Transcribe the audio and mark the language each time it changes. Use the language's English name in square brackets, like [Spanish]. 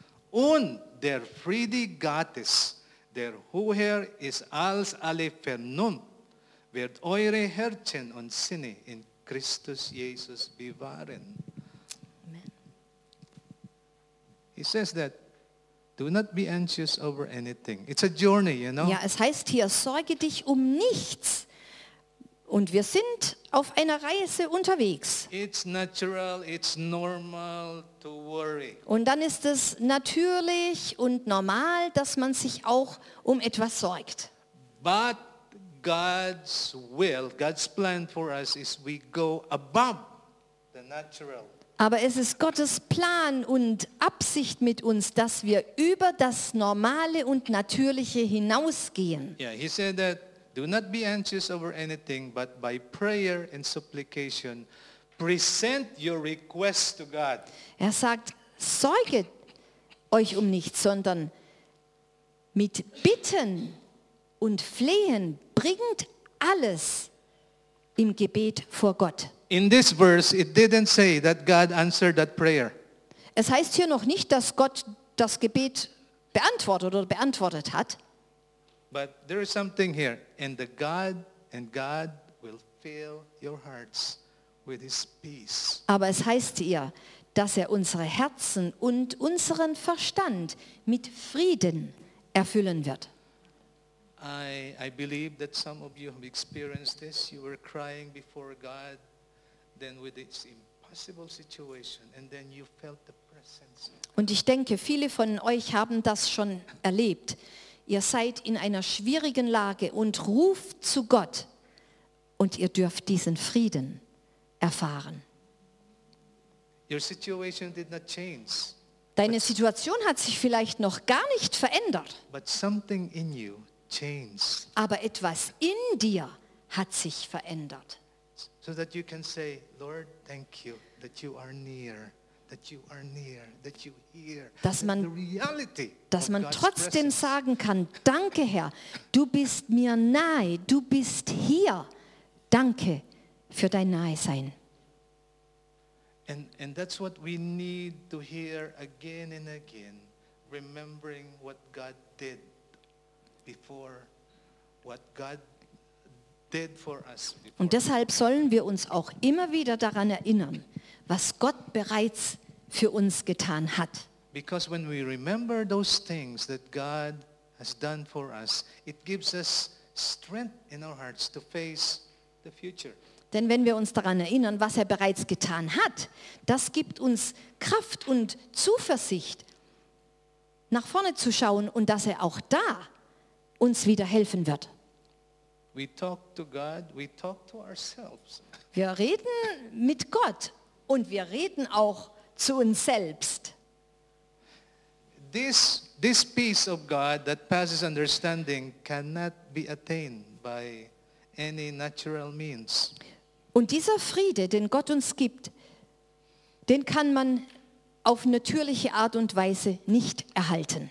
[German] Und der Friede Gottes, der höher ist als alle Vernunft, wird eure Herzen und Sinne in Christus Jesus bewahren. Amen. [English] He says that, do not be anxious over anything. It's a journey, you know? [German] Ja, es heißt hier, sorge dich um nichts. Und wir sind auf einer Reise unterwegs. [English] It's natural, it's normal to worry. [German] Und dann ist es natürlich und normal, dass man sich auch um etwas sorgt. [English] But God's will, God's plan for us is we go above the natural. [German] Aber es ist Gottes Plan und Absicht mit uns, dass wir über das Normale und Natürliche hinausgehen. [English] Yeah, he said that, do not be anxious over anything, but by prayer and supplication, present your request to God. [German] Er sagt, sorget euch um nichts, sondern mit Bitten und Flehen bringt alles im Gebet vor Gott. [English] In this verse, it didn't say that God answered that prayer. [German] Es heißt hier noch nicht, dass Gott das Gebet beantwortet oder beantwortet hat. [English] But there is something here, and God will fill your hearts with His peace. [German] Aber es heißt hier, dass er unsere Herzen und unseren Verstand mit Frieden erfüllen wird. [English] I believe that some of you have experienced this. You were crying before God. Then with this impossible situation, and then you felt the presence. [German] Und ich denke, viele von euch haben das schon erlebt. Ihr seid in einer schwierigen Lage und ruft zu Gott und ihr dürft diesen Frieden erfahren. [English] Your situation did not change. [German] Deine Situation hat sich vielleicht noch gar nicht verändert. [English] But something in you changed. [German] Aber etwas in dir hat sich verändert. [English] So that you can say, Lord, thank you that you are near, that you are near, that you hear. [German] Dass man trotzdem sagen kann, danke Herr, du bist mir nahe, du bist hier. Danke für dein Nahesein. [English] And that's what we need to hear again and again, remembering what God did before, what God for us. [German] Und deshalb sollen wir uns auch immer wieder daran erinnern, was Gott bereits für uns getan hat. [English] Because when we remember those things that God has done for us, it gives us strength in our hearts to face the future. [German] Denn wenn wir uns daran erinnern, was er bereits getan hat, das gibt uns Kraft und Zuversicht, nach vorne zu schauen und dass er auch da uns wieder helfen wird. [English] We talk to God, we talk to ourselves. [German] Wir reden mit Gott und wir reden auch zu uns selbst. [English] This peace of God that passes understanding cannot be attained by any natural means. [German] Und dieser Friede, den Gott uns gibt, den kann man auf natürliche Art und Weise nicht erhalten.